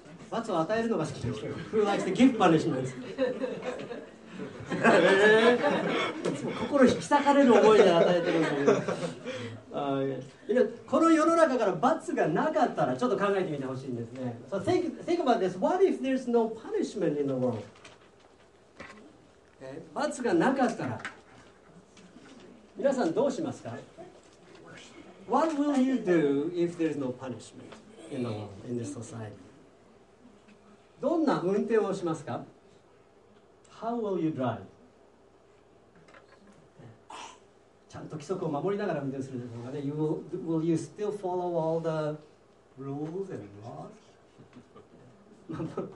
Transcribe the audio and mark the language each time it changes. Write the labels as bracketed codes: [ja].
[ja] 罰を与えるのが好きな人、 [en] Who likes to give punishment? [ja] 心引き裂かれる思いで与えてるんだけど、この世の中から罰がなかったらちょっと考えてみてほしいんですね。 [en] So think about this. What if there's no punishment in the world? [ja] 罰がなかったら皆さんどうしますか？ [en] What will you do if there's no punishment in the world, in the society? [ja] どんな運転をしますか？ [en] How will you drive? [ja] ちゃんと規則を守りながら運転するでしょうかね。 [en] will you still follow all the rules and laws?